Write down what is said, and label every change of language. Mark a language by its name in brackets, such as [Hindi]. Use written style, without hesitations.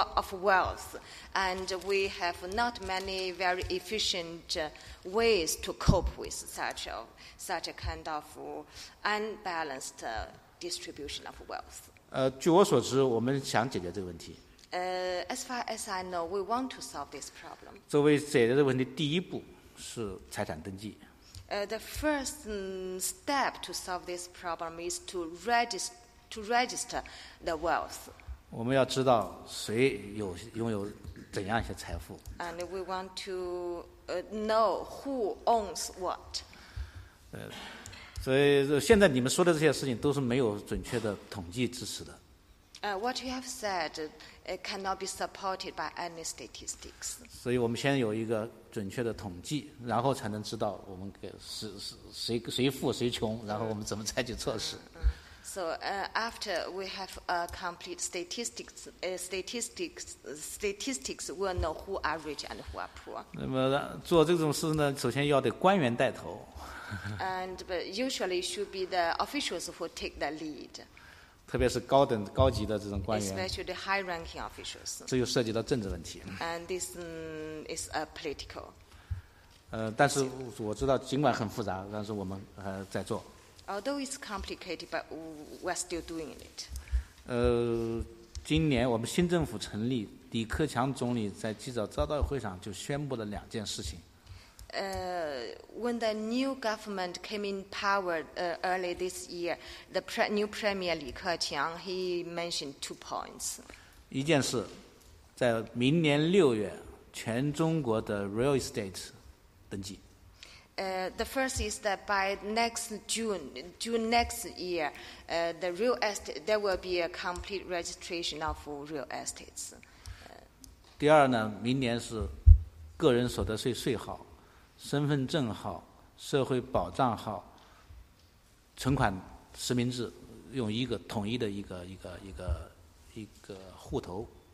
[English] of wealth, and we have not many very efficient ways to cope with such a kind of unbalanced distribution of wealth. [Chinese] 据我所知，我们想解决这个问题。 [English] As far as I know, we want to solve this problem. [Chinese] 作为解决的问题，第一步是财产登记。 [English] The first step to solve this problem is to register the wealth. [Chinese] 我们要知道谁拥有怎样一些财富。 [English] And we want to know who owns what. [Chinese] 所以现在你们说的这些事情都是没有准确的统计支持的。 [English] What you have said it cannot be supported by any statistics. [Chinese] 所以我们先有一个准确的统计，然后才能知道我们给谁富谁穷，然后我们怎么采取措施。 [English] So after we have a complete statistics, we'll know who are rich and who are poor. [Chinese] 那么做这种事呢，首先要得官员带头。 [English] And but usually should be the officials who take the lead. [Chinese] 特别是高级的这种官员。 [English] Especially high-ranking officials. [Chinese] 这又涉及到政治问题。 [English] And this is a political. [Chinese] 但是我知道，尽管很复杂，但是我们在做。 [English] Although it's complicated, but we're still doing it. [Chinese] 今年我们新政府成立，李克强总理在记者招待会上就宣布了两件事情。 [English] When the new government came in power early this year, the new premier 李克强 he mentioned 2 points. [Chinese] 一件事，在明年六月，全中国的 real estate 登记。 [English] The first is that by next June next year, the real estate there will be a complete registration of real estates. [Chinese] 第二呢，明年是个人所得税税号、身份证号、社会保障号、存款实名制，用一个统一的一个户头。